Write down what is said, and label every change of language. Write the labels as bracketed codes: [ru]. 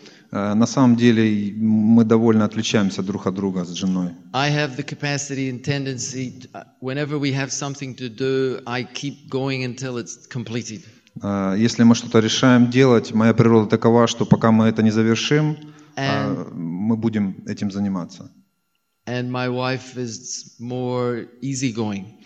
[ru] На самом деле, мы довольно отличаемся друг от друга с женой. [en] I have the capacity and tendency, whenever we have something to do, I keep going until it's completed. [ru] Если мы что-то решаем делать, моя природа такова, что пока мы это не завершим, мы будем этим заниматься. [en] And my wife is more easygoing.